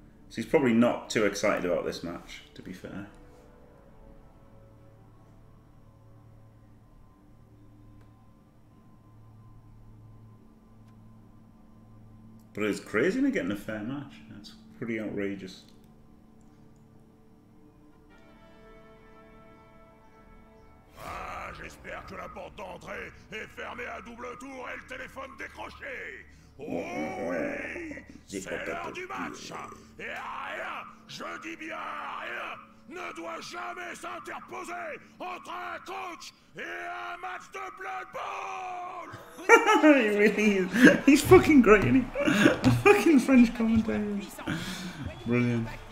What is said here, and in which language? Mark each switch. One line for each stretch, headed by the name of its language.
English: So he's probably not too excited about this match, to be fair. But it's crazy to get in a fair match. That's pretty outrageous.
French: Ah, j'espère que la porte d'entrée est fermée à double tour et le téléphone décroché. Oh oui, c'est l'heure du match. Et rien, je dis bien rien, ne doit jamais s'interposer entre un coach et un match de Blood Bowl.
English: He really is. He's fucking great, isn't he? The fucking French commentators. Brilliant.